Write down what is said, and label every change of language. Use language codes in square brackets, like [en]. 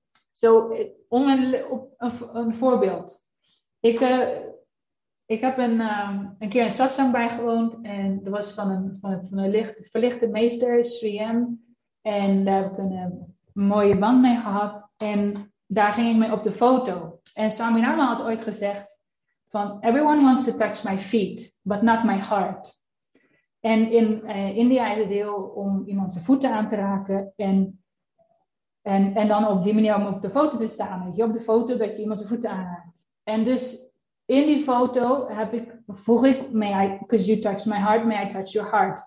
[nl] Zo, om een voorbeeld. Ik heb een keer een satsang bijgewoond en dat was van een verlichte meester, Sri M. En daar heb ik een mooie band mee gehad en daar ging ik mee op de foto. En Swami Rama had ooit gezegd van, [en] everyone wants to touch my feet, but not my heart. [nl] En in India is het heel om iemand zijn voeten aan te raken en dan op die manier om op de foto te staan. Je op de foto dat je iemand zijn voeten aanraakt. En dus in die foto vroeg ik, [en] because you touch my heart, may I touch your heart?